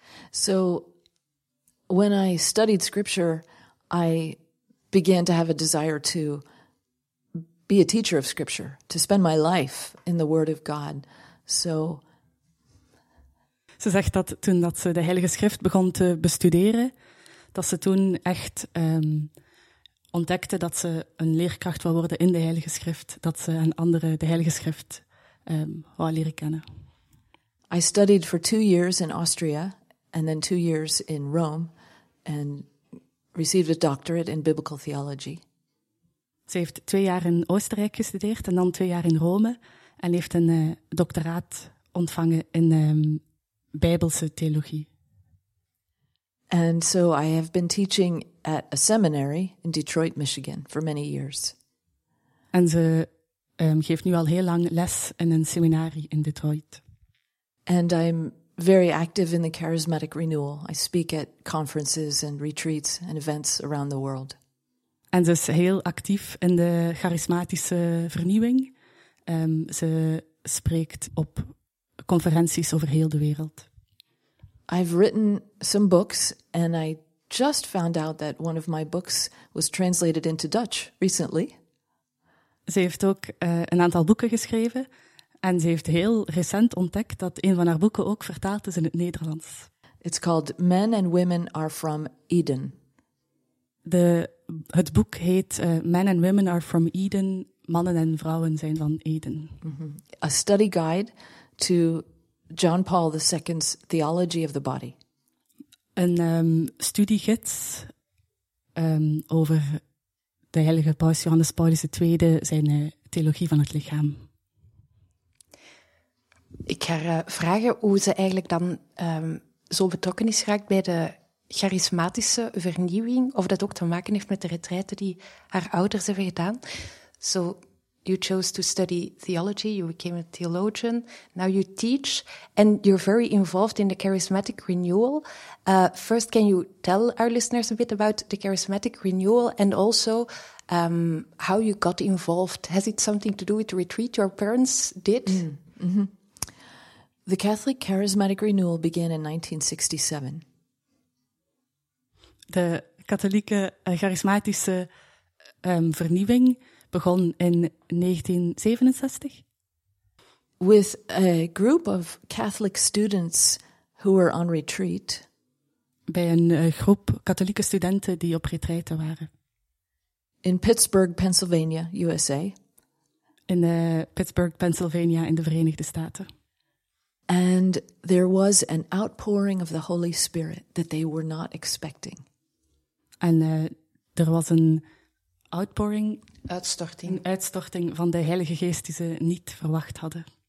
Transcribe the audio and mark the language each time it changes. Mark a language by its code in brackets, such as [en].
[en] So, when I studied scripture, I began to have a desire to be a teacher of scripture, to spend my life in the Word of God. So, [nl] ze zegt dat toen dat ze de Heilige Schrift begon te bestuderen, dat ze toen echt ontdekte dat ze een leerkracht wil worden in de Heilige Schrift, dat ze een andere de Heilige Schrift wou leren kennen. [en] I studied for 2 years in Austria and then 2 years in Rome and received a doctorate in biblical theology. [nl] Ze heeft 2 jaar in Oostenrijk gestudeerd en dan 2 jaar in Rome en heeft een doctoraat ontvangen in bijbelse theologie. [en] And so I have been teaching at a seminary in Detroit, Michigan for many years. [nl] En ze geef nu al heel lang les in een seminarie in Detroit. [en] And I'm very active in the charismatic renewal. I speak at conferences and retreats and events around the world. [nl] En ze is heel actief in de charismatische vernieuwing. Ze spreekt op conferenties over heel de wereld. [en] I've written some books and I just found out that one of my books was translated into Dutch recently. [nl] Ze heeft ook een aantal boeken geschreven en ze heeft heel recent ontdekt dat een van haar boeken ook vertaald is in het Nederlands. [en] It's called Men and Women Are from Eden. [nl] Het boek heet Men and Women Are from Eden, Mannen en Vrouwen zijn van Eden. [en] A study guide to John Paul II's theology of the body. [nl] Een studiegids over de heilige paus Johannes Paulus II, zijn theologie van het lichaam. Ik ga vragen hoe ze eigenlijk dan zo betrokken is geraakt bij de charismatische vernieuwing, of dat ook te maken heeft met de retraite die haar ouders hebben gedaan. [en] So, you chose to study theology, you became a theologian, now you teach, and you're very involved in the charismatic renewal. First, can you tell our listeners a bit about the charismatic renewal, and also how you got involved? Has it something to do with the retreat your parents did? Mm-hmm. The Catholic charismatic renewal began in 1967. [nl] De katholieke charismatische vernieuwing begon in 1967. [en] With a group of Catholic students who were on retreat. [nl] Bij een groep katholieke studenten die op retraite waren. [en] In Pittsburgh, Pennsylvania, USA. [nl] In Pittsburgh, Pennsylvania, in de Verenigde Staten. [en] And there was an outpouring of the Holy Spirit that they were not expecting. [nl] En er was een outpouring, uitstorting. Een uitstorting van de Heilige Geest die ze niet verwacht hadden.